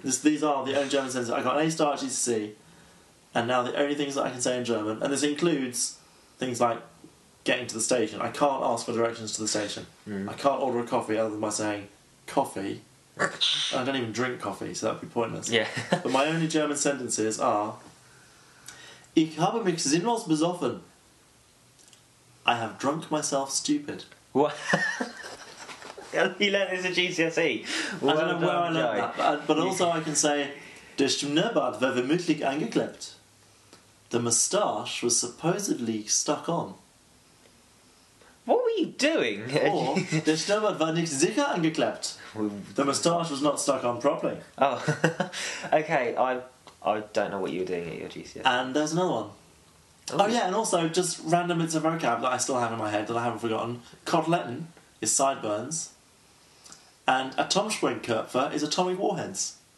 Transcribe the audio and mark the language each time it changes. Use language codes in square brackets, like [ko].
[en] These are the only German sentences. I got an A-star at GCSE, and now the only things that I can say in German, and this includes things like getting to the station. I can't ask for directions to the station. Mm. I can't order a coffee other than by saying, coffee. I don't even drink coffee, so that would be pointless. Yeah. But my only German sentences are, [de] Ich habe mich sinnlos besoffen. [en] I have drunk myself stupid. What? He learned this at GCSE. Well, I don't know where I learned that. But also I can say, [de] Der Schnurrbart war vermutlich angeklebt. [en] The moustache was supposedly stuck on. What were you doing? [de] Or, Der Schnurrbart war nicht sicher angeklebt. [en] The moustache was not stuck on properly. Oh. Okay, I don't know what you were doing at your GCSE. And there's another one. Oh, yeah, and also, just random bits of vocab that I still have in my head that I haven't forgotten. Koteletten is sideburns. And Atomsprengköpfe is atomic warheads.